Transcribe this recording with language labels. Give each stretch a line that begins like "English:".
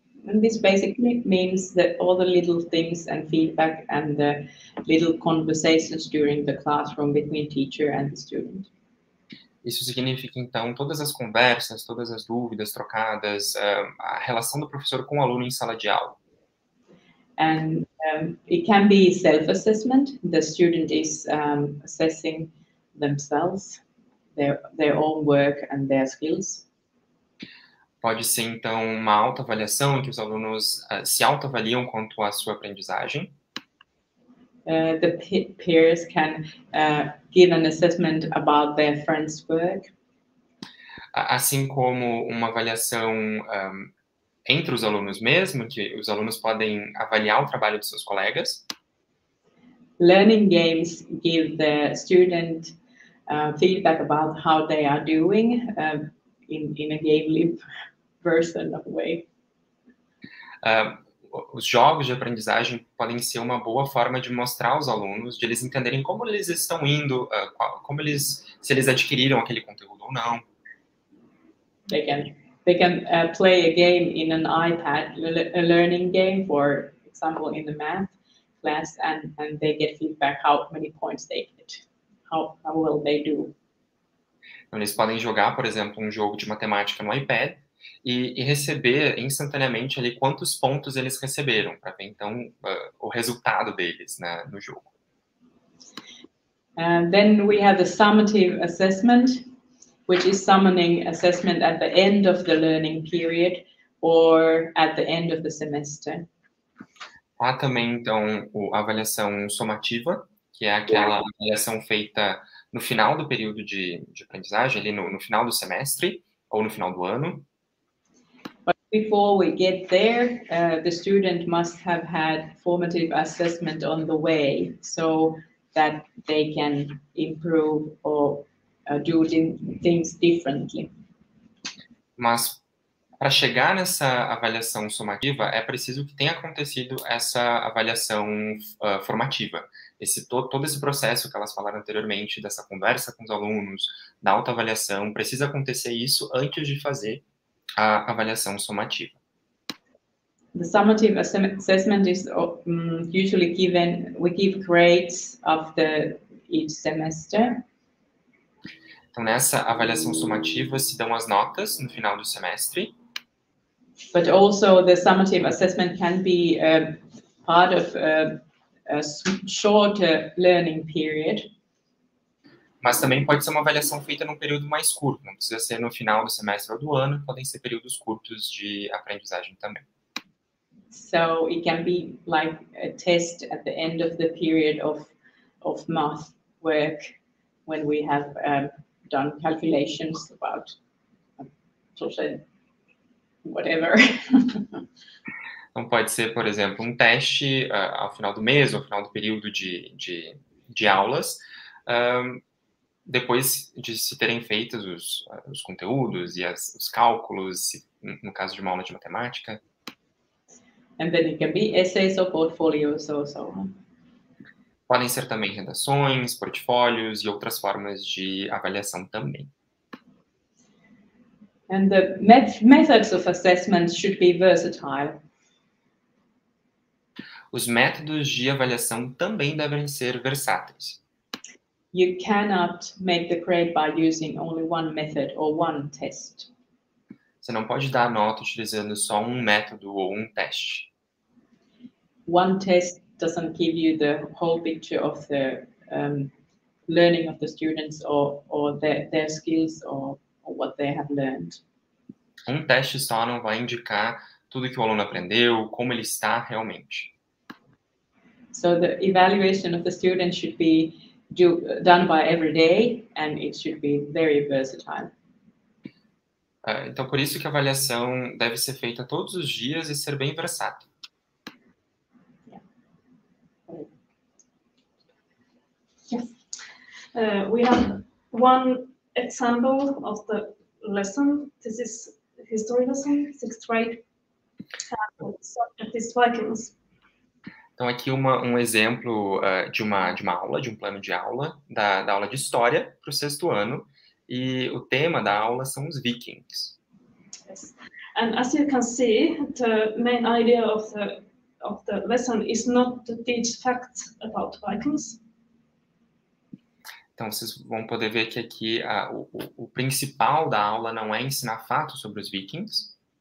English: And this basically means that all the little things and feedback and the little conversations during the classroom between teacher and the student.
Portuguese: Isso significa, então, todas as conversas, todas as dúvidas trocadas, a relação do professor com o aluno em sala de aula.
English: And it can be self-assessment. The student is assessing themselves. Their own work and their skills.
Portuguese: Pode ser, então, uma autoavaliação em que os alunos se autoavaliam quanto à sua aprendizagem.
English: The peers can give an assessment about their friend's work.
Portuguese: Assim como uma avaliação entre os alunos mesmo, que os alunos podem avaliar o trabalho dos seus colegas.
English: learning games give the student feedback about how they are doing in a game loop version of a way.
Portuguese: Os jogos de aprendizagem podem ser uma boa forma de mostrar aos alunos, de eles entenderem como eles estão indo, como eles, se eles adquiriram aquele conteúdo ou não.
English: They can play a game in an iPad, a learning game, for example, in the math class, and they get feedback how many points they get, how well they do.
Portuguese: Então, eles podem jogar, por exemplo, um jogo de matemática no iPad, e receber instantaneamente ali quantos pontos eles receberam, para ver então o resultado deles, né, no jogo.
English: Then we have the summative assessment, which is summoning assessment at the end of the learning period or at the end of the semester.
Portuguese: Há também então a avaliação somativa, que é aquela avaliação feita no final do período de aprendizagem, ali no final do semestre ou no final do ano.
English: Before we get there, the student must have had formative assessment on the way so that they can improve or do things differently.
Portuguese: Mas para chegar nessa avaliação somativa, é preciso que tenha acontecido essa avaliação formativa. Todo esse processo que elas falaram anteriormente, dessa conversa com os alunos, da autoavaliação, precisa acontecer isso antes de fazer a avaliação somativa.
English: The summative assessment is usually given, we give grades after each semester.
Portuguese: Então, nessa avaliação somativa, se dão as notas no final do semestre.
English: But also, the summative assessment can be part of a shorter learning period.
Portuguese: Mas também pode ser uma avaliação feita num período mais curto, não precisa ser no final do semestre ou do ano, podem ser períodos curtos de aprendizagem também.
English: So it can be like a test at the end of the period of math work, when we have done calculations about social whatever.
Portuguese: Então pode ser, por exemplo, um teste ao final do mês, ou ao final do período de aulas, depois de se terem feito os conteúdos e os cálculos, no caso de uma aula de matemática.
English: And then it can be essays or portfolios or so on.
Portuguese: Podem ser também redações, portfólios e outras formas de avaliação também.
English: And the methods of assessment should be versatile.
Portuguese: Os métodos de avaliação também devem ser versáteis.
English: You cannot make the grade by using only one method or one test.
Portuguese: Você não pode dar nota utilizando só um método ou um teste.
English: One test doesn't give you the whole picture of the learning of the students or their skills or what they have learned.
Portuguese: Um teste só não vai indicar tudo que o aluno aprendeu, como ele está realmente.
English: So the evaluation of the student should be done by every day, and it should be very versatile.
Portuguese: Então, por isso que a avaliação deve ser feita todos os dias e ser bem versátil.
English: Yeah. Yes. We have one example of the lesson. This is history lesson, sixth grade. This Vikings.
Portuguese: Então, aqui um exemplo de uma aula, de um plano de aula, da aula de história para o sexto ano. E o tema da aula são os vikings.
English: Yes. And as you can see, the main idea of the lesson is not to teach facts about vikings.
Portuguese: Então, vocês vão poder ver que aqui o principal da aula não é ensinar fatos sobre os vikings.